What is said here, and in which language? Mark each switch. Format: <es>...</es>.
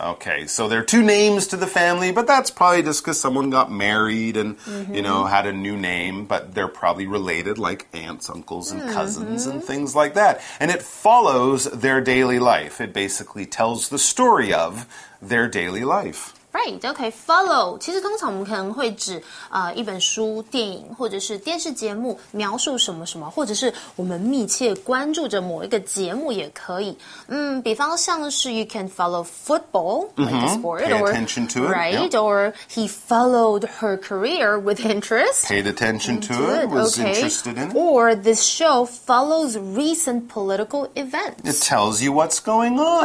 <en>Okay, so there are two names to the family, but that's probably just because someone got married and, you know, had a new name, but they're probably related, like aunts, uncles, and cousins, and things like that. And it follows their daily life. It basically tells the story of their daily life. Right, okay, follow.</en> <zh>其实通常我们可能会指一本书、电影或者是电视节目描述什么什么，或者是我们密切关注着某一个节目也可以。比方像是</zh> <en>you can follow football, like the sport. Pay attention to it. Right, or he followed her career with interest. Paid attention to it, was interested in it. Or this show follows recent political events. It tells you what's going on.</en>